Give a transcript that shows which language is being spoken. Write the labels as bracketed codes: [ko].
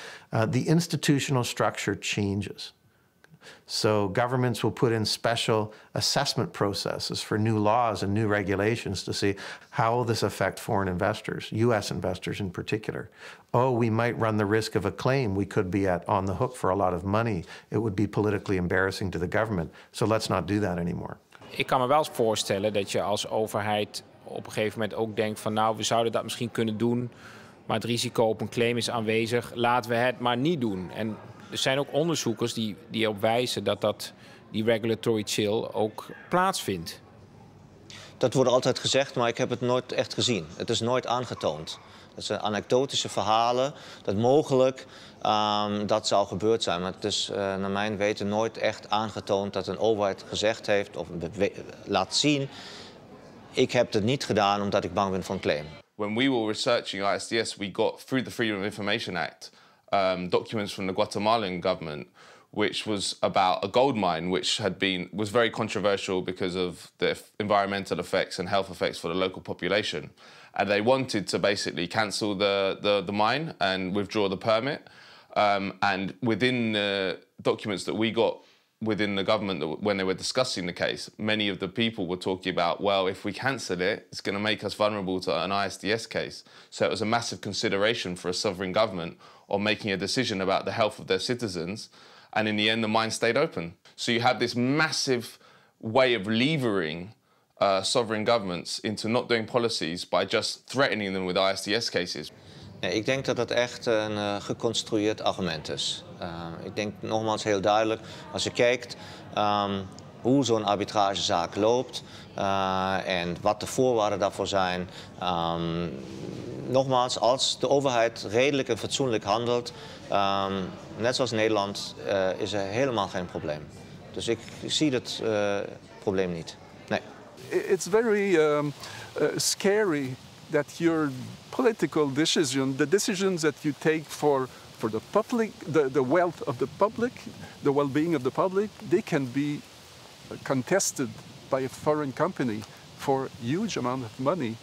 [en] The institutional structure changes. So governments will put in special assessment processes for new laws and new regulations to see how will this affect foreign investors, U.S. investors in particular. Oh, we might run the risk of a claim. We could be on the hook for a lot of money. It would be politically embarrassing to the government. So let's not do that anymore. [nl] Ik kan me wel voorstellen dat je als overheid op een gegeven moment ook denkt van nou, we zouden dat misschien kunnen doen, maar het risico op een claim is aanwezig. Laten we het maar niet doen. En er zijn ook onderzoekers die erop wijzen dat die regulatory chill ook plaatsvindt. Dat wordt altijd gezegd, maar ik heb het nooit echt gezien. Het is nooit aangetoond. Dat zijn anekdotische verhalen dat mogelijk dat zou gebeurd zijn. Maar het is naar mijn weten nooit echt aangetoond dat een overheid gezegd heeft of laat zien. Ik heb het niet gedaan omdat ik bang ben van claim. [en] When we were researching ISDS, we got through the Freedom of Information Act documents from the Guatemalan government, which was about a gold mine, which was very controversial because of the environmental effects and health effects for the local population. And they wanted to basically cancel the mine and withdraw the permit. And within the documents that we got within the government, when they were discussing the case, many of the people were talking about, well, if we cancel it, it's going to make us vulnerable to an ISDS case. So it was a massive consideration for a sovereign government on making a decision about the health of their citizens. And in the end, the mine stayed open. So you have this massive way of levering sovereign governments into not doing policies by just threatening them with ISDS cases. [nl] Nee, ik denk dat dat echt een geconstrueerd argument is. Ik denk nogmaals heel duidelijk, als je kijkt hoe zo'n arbitragezaak loopt en wat de voorwaarden daarvoor zijn. Nogmaals, als de overheid redelijk en fatsoenlijk handelt, net zoals Nederland, is er helemaal geen probleem. Dus ik zie dat probleem niet. Nee. [en] It's very scary that you're political decision, the decisions that you take for the public, the wealth of the public, the well-being of the public, they can be contested by a foreign company for huge amount of money.